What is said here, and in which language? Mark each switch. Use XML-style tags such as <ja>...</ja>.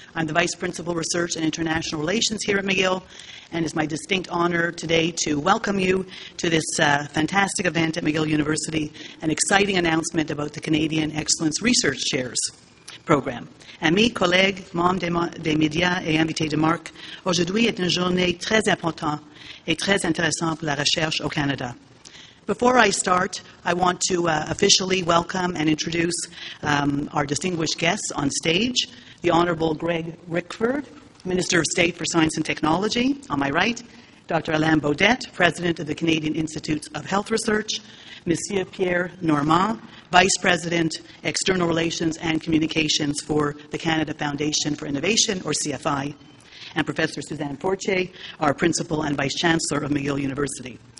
<en>I'm the Vice Principal Research and International Relations here at McGill, and it's my distinct honor today to welcome you to this fantastic event at McGill University, an exciting announcement about the Canadian Excellence Research Chairs Program.</en> <fr>Amis, collègues, membres des médias et invités de marque, aujourd'hui est une journée très importante et très intéressante pour la recherche au Canada.</fr> <en>Before I start, I want to officially welcome and introduce our distinguished guests on stage, the Honourable Greg Rickford, Minister of State for Science and Technology, on my right, Dr. Alain Baudette, President of the Canadian Institutes of Health Research, Monsieur Pierre Normand, Vice President, External Relations and Communications for the Canada Foundation for Innovation, or CFI, and Professor Suzanne Fortier, our Principal and Vice Chancellor of McGill University.</en>